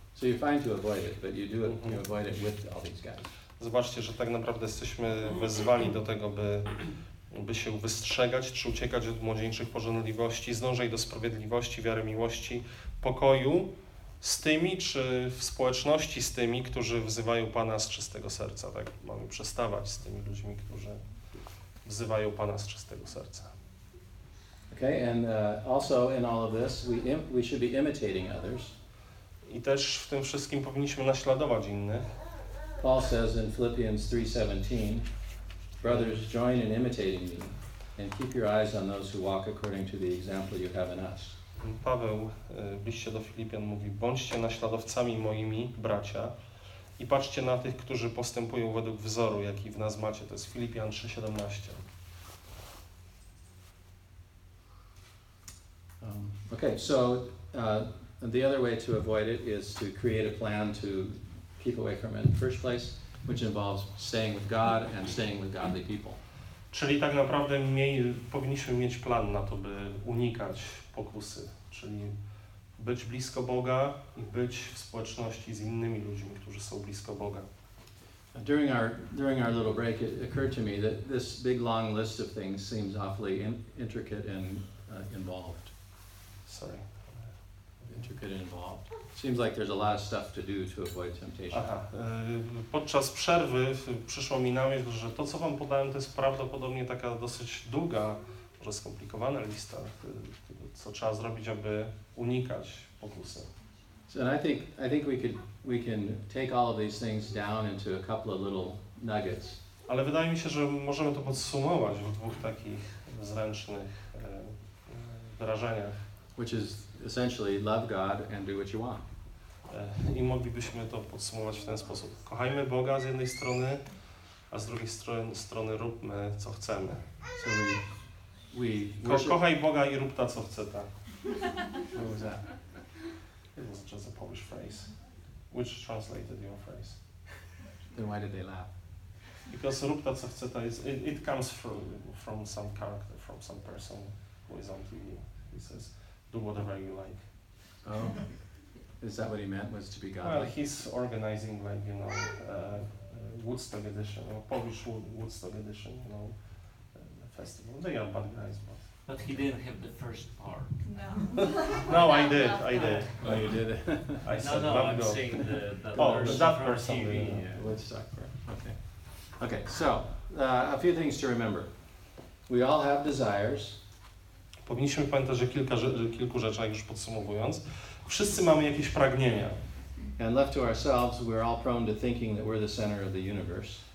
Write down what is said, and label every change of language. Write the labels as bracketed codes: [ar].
[en] So you're fine to avoid it, but you do it. You avoid it with all these guys. [pl] Zobaczcie, że tak naprawdę jesteśmy wezwani do tego, by się wystrzegać, czy uciekać od młodzieńczych pożądliwości, zdążać do sprawiedliwości, wiary, miłości, pokoju z tymi, czy w społeczności z tymi, którzy wzywają Pana z czystego serca. Tak, mamy przestawać z tymi ludźmi, którzy wzywają Pana z czystego serca. [en] Okay, and also in all of this, we should be imitating others. [pl] I też w tym wszystkim powinniśmy naśladować innych. [en] Paul says in Philippians 3:17, brothers, join in imitating me and keep your eyes on those who walk according to the example you have in us. [pl] Paweł w liście do Filipian mówi, bądźcie naśladowcami moimi, bracia, i patrzcie na tych, którzy postępują według wzoru, jaki w nas macie. To jest Filipian 3:17. [en] Okay, so the other way to avoid it is to create a plan to keep away from it in the first place, which involves staying with God and staying with godly people. [pl] Czyli tak naprawdę powinniśmy mieć plan na to, by unikać pokusy, czyli być blisko Boga i być w społeczności z innymi ludźmi, którzy są blisko Boga. [en] During our little break, it occurred to me that this big long list of things seems awfully intricate and involved. Sorry. Intricate and involved. Seems like there's a lot of stuff to do to avoid temptation. Aha. [pl] Podczas przerwy przyszło mi na myśl, że to, co wam podałem, to jest prawdopodobnie taka dosyć długa, może skomplikowana lista, co trzeba zrobić, aby unikać pokusy. [en] So, and I think we can take all of these things down into a couple of little nuggets. [pl] Ale wydaje mi się, że możemy to podsumować w dwóch takich zręcznych wyrażeniach. [en] Which is essentially love God and do what you want. [pl] I moglibyśmy to podsumować w ten sposób. Kochajmy Boga z jednej strony, a z drugiej strony róbmy co chcemy. [en] So we worship. [pl] Kochaj Boga i rób ta co chce ta. [en] What was that? It was just a Polish phrase. Which translated your phrase? Then why did they laugh? Because [pl] rób ta co chce ta [en] is it comes from some character, from some person who is on TV. He says, do whatever you like. Oh, is that what he meant, was to be God? Well, he's organizing, like, you know, Woodstock edition, or Polish Woodstock edition, you know, the festival. They are bad guys, but... But okay. He didn't have the first part. No. No, I did. Oh, you did. I said, no, I'm saying the person from TV. Yeah. Woodstock, right. Okay. Okay, so, a few things to remember. We all have desires. [pl] Powinniśmy pamiętać, że kilku rzeczy, już podsumowując. Wszyscy mamy jakieś pragnienia. [en] And left to ourselves, we're all prone to thinking that we're the center of the universe.